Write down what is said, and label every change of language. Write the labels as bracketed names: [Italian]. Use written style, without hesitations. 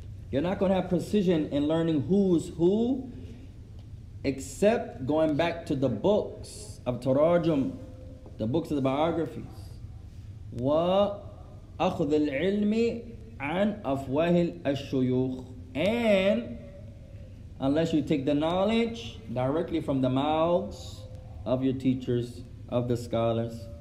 [English] You're not going to have precision in learning who's who, except going back to the books of Tarajum, the books of the biographies. [Arabic] وأخذ العلم عن أفواه الشيوخ. [English] And unless you take the knowledge directly from the mouths of your teachers, of the scholars.